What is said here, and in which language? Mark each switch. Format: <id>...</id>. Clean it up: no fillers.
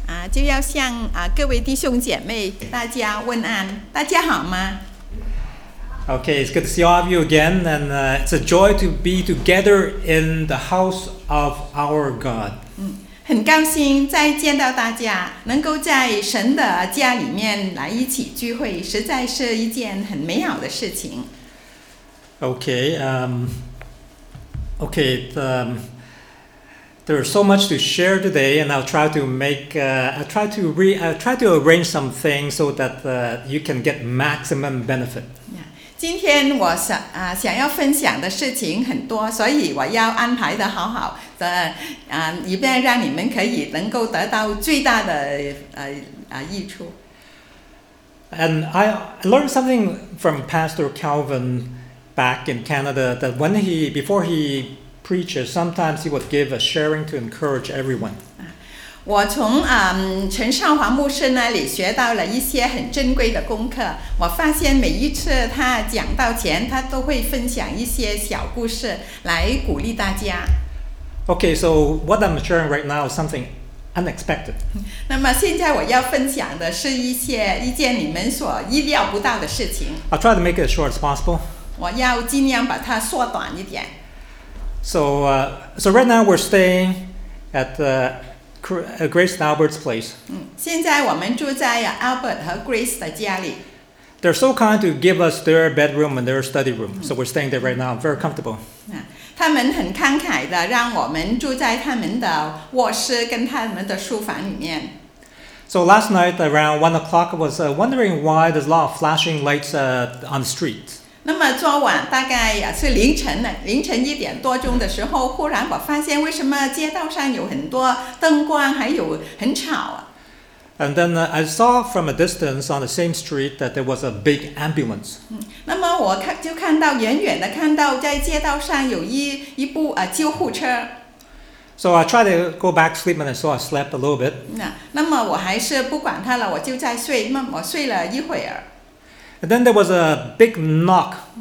<zh>就要向各位弟兄姐妹大家问安，大家好吗？</zh> <en>Okay, it's good to see all of you again, and it's a joy to be together in the house of our God.</en> <zh>很高兴再见到大家，能够在神的家里面来一起聚会，实在是一件很美好的事情。</zh> <en>Okay, there's so much to share today, and I'll try to arrange some things so that you can get maximum benefit. Yeah.</en> <zh>今天我想要分享的事情很多，所以我要安排的好好的，以便让你们可以能够得到最大的益处。</zh> <en>And I learned something from Pastor Calvin back in Canada that before he preaches, sometimes he would give a sharing to encourage everyone.</en> <zh>我从陈少华牧师那里学到了一些很珍贵的功课。我发现每一次他讲道前，他都会分享一些小故事来鼓励大家。</zh> <en>Okay, so what I'm sharing right now is something unexpected.</en> <zh>那么现在我要分享的是一件你们所意料不到的事情。</zh> <en>I'll try to make it as short as possible.</en> <zh>我要尽量把它缩短一点。</zh> <en>So right now we're staying at Grace and Albert's place.</en> <zh>现在我们住在 Albert 和 Grace 的家里。</zh> <en>They're so kind to give us their bedroom and their study room, so we're staying there right now, very comfortable.</en> <zh>他们很慷慨的让我们住在他们的卧室跟他们的书房里面。</zh> <en>So last night around 1 o'clock, I was wondering why there's a lot of flashing lights on the street.</en> <zh>那么昨晚大概是凌晨一点多钟的时候，忽然我发现为什么街道上有很多灯光，还有很吵啊。</zh> <en>And then I saw from a distance on the same street that there was a big ambulance.</en> <zh>那么我就看到远远的看到在街道上有一部救护车。</zh> <en>So I tried to go back to sleep, and so I slept a little bit.</en> <zh>那么我还是不管它了，我就在睡，那么我睡了一会儿。</zh> <en>And then there was a big knock.</en>